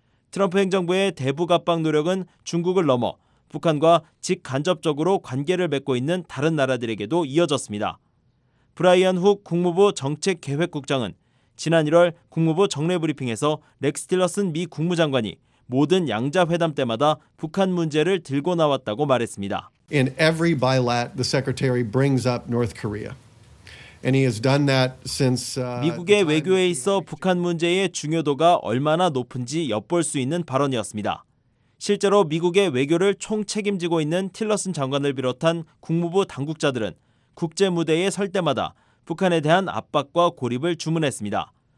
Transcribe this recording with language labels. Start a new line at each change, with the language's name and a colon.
Korean: 트럼프 행정부의 대북 압박 노력은 중국을 넘어 북한과 직간접적으로 관계를 맺고 있는 다른 나라들에게도 이어졌습니다. 브라이언 훅 국무부 정책계획국장은 지난 1월 국무부 정례브리핑에서 렉스 틸러슨 미 국무장관이 모든 양자회담 때마다 북한 문제를 들고 나왔다고 말했습니다.
English: In every bilat, the secretary brings up North Korea. And he has done that since,
Korean: 미국의 외교에 있어 북한 문제의 중요도가 얼마나 높은지 엿볼 수 있는 발언이었습니다. 실제로 미국의 외교를 총책임지고 있는 틸러슨 장관을 비롯한 국무부 당국자들은 국제무대에 설 때마다 북한에 대한 압박과 고립을 주문했습니다.